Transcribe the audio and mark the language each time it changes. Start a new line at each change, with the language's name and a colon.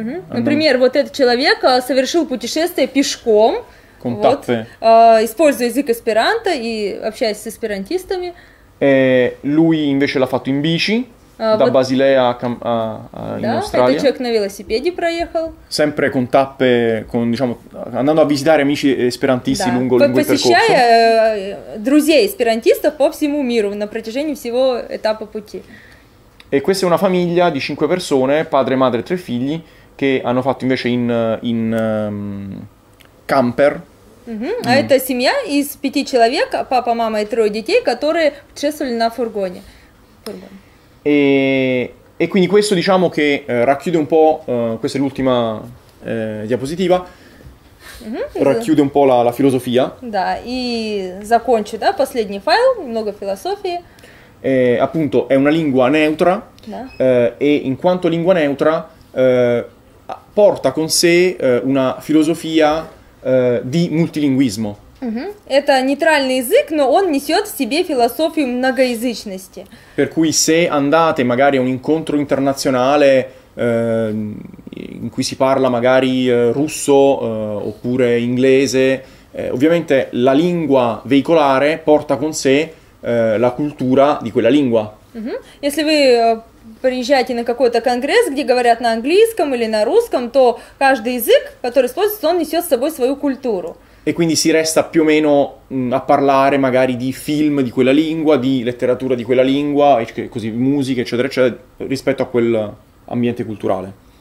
Russian: Например, вот этот человек совершил путешествие пешком, вот, используя язык эсперанто и общаясь с эсперантистами.
Italian: Lui invece l'ha fatto in bici. da Basilea in Australia.
Russian: Этот человек на велосипеде проехал.
Italian: Sempre con tappe, con diciamo andando a visitare amici esperantisti lungo il percorso.
Russian: Посещая друзей эсперантистов по всему миру на протяжении всего этапа пути.
Italian: E questa è una famiglia di 5 persone, padre, madre, 3 figli, che hanno fatto invece in camper.
Russian: А это семья из 5 человек, папа, мама и трое детей, которые путешествовали на фургоне.
Italian: E quindi questo diciamo che racchiude un po', questa è l'ultima diapositiva, racchiude un po' la filosofia.
Russian: Да, и закончу, да, последний файл, много философии.
Italian: Appunto è una lingua neutra, no. E in quanto lingua neutra porta con sé una filosofia di multilinguismo.
Russian: Это нейтральный язык, но он несет в себе философию многоязычности.
Italian: Per cui se andate magari a un incontro internazionale in cui si parla magari russo oppure inglese, ovviamente la lingua veicolare porta con sé la cultura di quella lingua.
Russian: Если вы приезжаете на какой-то конгресс, где говорят на английском или на русском, то каждый язык, который используется, он несет с собой свою культуру.
Italian: E quindi si resta più o meno a parlare magari di film di quella lingua, di letteratura di quella lingua, e così musica, eccetera, eccetera, rispetto a quel ambiente culturale.